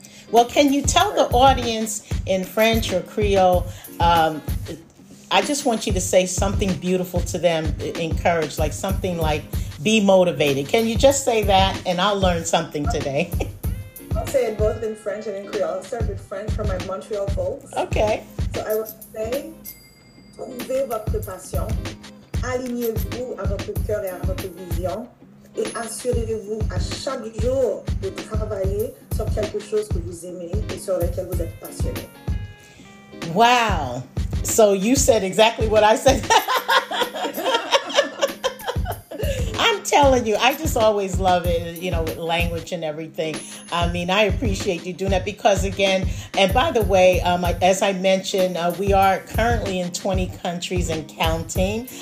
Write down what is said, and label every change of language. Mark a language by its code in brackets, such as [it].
[en] Well, can you tell the audience in French or Creole, I just want you to say something beautiful to them, encourage, like something like, be motivated. Can you just say that and I'll learn something today? I'll say it both in French and in Creole. I'll start with French for my Montreal folks. Okay. So I would say, [fr] trouvez votre passion, alignez-vous à votre cœur et à votre vision, et assurez-vous à chaque jour de travailler sur quelque chose que vous aimez et sur lequel vous êtes passionné. [en] Wow. So you said exactly what I said. Telling you, I just always love it, you know, with language and everything. I mean, I appreciate you doing that because, again, and by the way, as I mentioned, we are currently in 20 countries and counting.